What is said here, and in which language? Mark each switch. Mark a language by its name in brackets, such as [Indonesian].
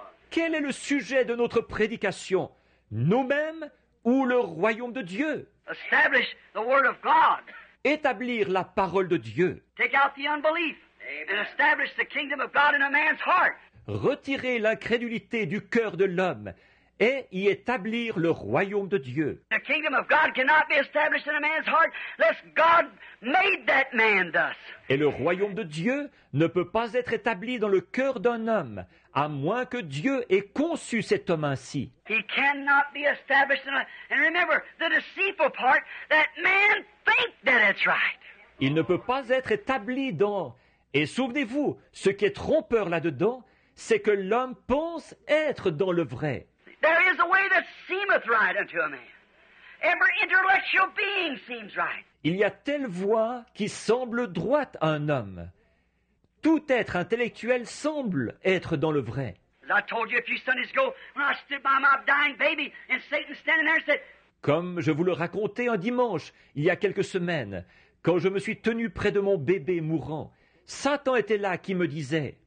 [French] Quel est le sujet de notre prédication? Nous-mêmes ou le royaume de Dieu? [English] Establish the word of God. [French] Établir la parole de Dieu. [English] Take out the unbelief and establish the kingdom of God in a man's heart. [French] Retirer l'incrédulité du cœur de l'homme et y établir le royaume de Dieu. [English] The kingdom of God cannot be established in a man's heart unless God made that man thus. [French] Et le royaume de Dieu ne peut pas être établi dans le cœur d'un homme à moins que Dieu ait conçu cet homme ainsi. [English] He cannot be established in a... And remember, the deceitful part, that man thinks that it's right. [French] Il ne peut pas être établi dans... Et souvenez-vous, ce qui est trompeur là-dedans, c'est que l'homme pense être dans le vrai. [English] There is a way that seemeth right unto a man. Every intellectual being seems right. [French] Il y a telle voie qui semble droite à un homme. Tout être intellectuel semble être dans le vrai. [English] As I told you a few Sundays ago, when I stood by my dying baby and Satan standing there said... [French] Comme je vous le racontais un dimanche, il y a quelques semaines, quand je me suis tenu près de mon bébé mourant, Satan était là qui me disait...